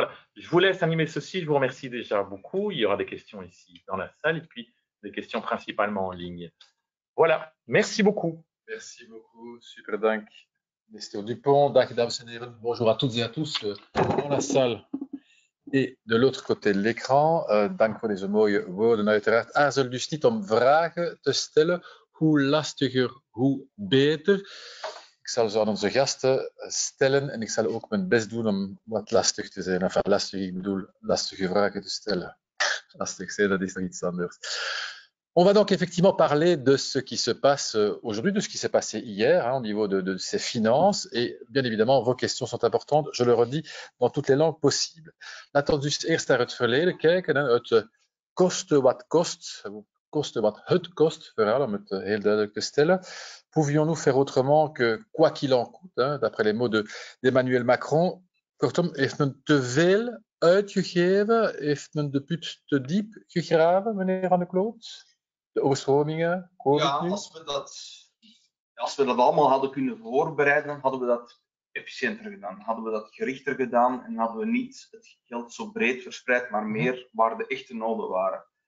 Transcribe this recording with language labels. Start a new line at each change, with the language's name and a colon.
French: Voilà, je vous laisse animer ceci, je vous remercie déjà beaucoup. Il y aura des questions ici dans la salle, et puis des questions principalement en ligne. Voilà, merci beaucoup. Merci beaucoup,
Dutch: super dank,
French: Mr. Dupont,
Dutch: dank, dames et heren.
French: Bonjour à toutes et à tous dans la salle et de l'autre côté de l'écran.
Dutch: Dank voor deze mooie woorden, uiteraard. Aarzel dus niet om vragen te stellen, hoe lastiger, hoe beter. Ik zal ze aan onze gasten stellen en ik zal ook mijn best doen om wat lastig te zijn. Enfin, lastig, ik bedoel, lastige vragen te stellen. Lastig zijn, dat is nog iets anders.
French: On va donc effectivement parler de ce qui se passe aujourd'hui, de ce qui s'est passé hier, hein, au niveau de ces finances. Et bien évidemment, vos questions sont importantes, je le redis, dans toutes les langues possibles.
Dutch: Laten we dus eerst naar het verleden kijken. Het koste wat kost, koste wat het kost, vooral om het heel duidelijk te stellen.
French: Pouvions-nous faire autrement que quoi qu'il en coûte, d'après les mots d'Emmanuel Macron?
Dutch: Kortom, heeft men te veel uitgegeven? Heeft men de put te diep gegraven, meneer Van de Kloot? De overstromingen, Ja, COVID nu? als we dat allemaal hadden kunnen voorbereiden, hadden we dat efficiënter gedaan. Hadden we dat gerichter gedaan en hadden we niet het geld zo breed verspreid, maar meer waar de echte noden waren.